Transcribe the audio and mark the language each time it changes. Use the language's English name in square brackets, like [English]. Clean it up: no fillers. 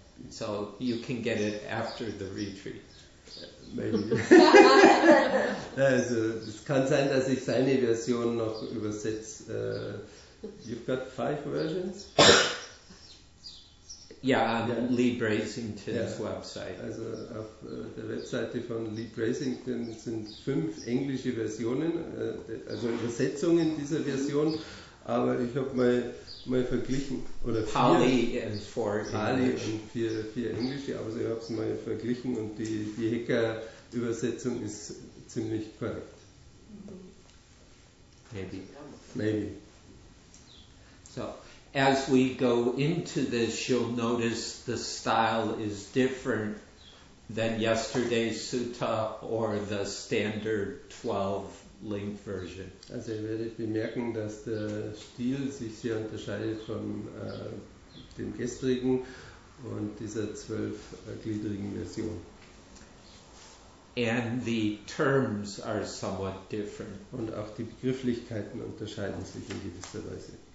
[English] So you can get it after the retreat. Maybe. [German] Also, es kann sein, dass ich seine Version noch übersetze. [English] You've got 5 versions? Yeah, Lee Brasington's website. [German] Also, auf der Webseite von Lee Brasington sind 5 englische Versionen, also Übersetzungen dieser Version. Aber ich habe mal verglichen, oder [English] Pali and 4 English. [German] Pali und 4 Englische, aber ich habe es mal verglichen und die Hecker-Übersetzung ist ziemlich korrekt. [English] Maybe. So, as we go into this, you'll notice the style is different than yesterday's Sutta or the standard 12. Link version. [German] Also ihr werdet bemerken, dass der Stil sich sehr unterscheidet von dem gestrigen und dieser 12-gliedrigen Version. [English] And the terms are somewhat different. [German] Und auch die Begrifflichkeiten unterscheiden sich in gewisser Weise.